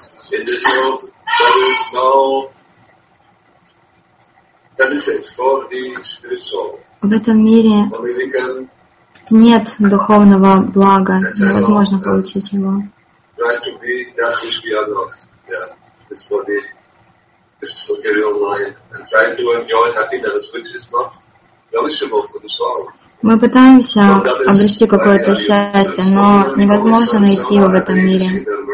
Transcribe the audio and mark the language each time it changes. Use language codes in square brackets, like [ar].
[en] in this world, there is no benefit for the spiritual. [ru] В этом мире нет духовного блага, невозможно получить его. [en] Try to be that which we are not. Yeah, this body, this material life, and try to enjoy happiness which is not relishable for the soul. [ru] Мы пытаемся обрести какое-то счастье, но невозможно найти его в этом мире.